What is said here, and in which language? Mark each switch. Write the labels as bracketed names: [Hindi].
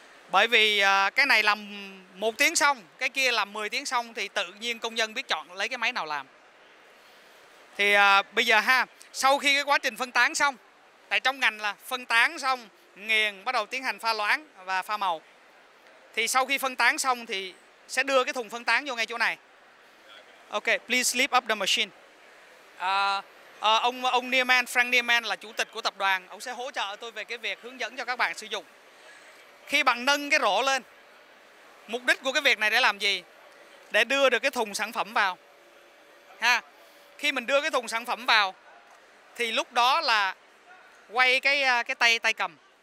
[Vietnamese] Bởi vì cái này làm 1 tiếng xong, cái kia làm 10 tiếng xong, thì tự nhiên công nhân biết chọn lấy cái máy nào làm. Thì bây giờ ha, sau khi cái quá trình phân tán xong, tại trong ngành là phân tán xong, nghiền, bắt đầu tiến hành pha loãng và pha màu. Thì sau khi phân tán xong thì sẽ đưa cái thùng phân tán vô ngay chỗ này. [English] Ok, please lift up the machine. [Vietnamese] Ông Nieman, Frank Nieman là chủ tịch của tập đoàn, ông sẽ hỗ trợ tôi về cái việc hướng dẫn cho các bạn sử dụng. Khi bạn nâng cái rổ lên, mục đích của cái việc này để làm gì? Để đưa được cái thùng sản phẩm vào. Ha. Khi mình đưa cái thùng sản phẩm vào, thì lúc đó là quay cái tay cầm.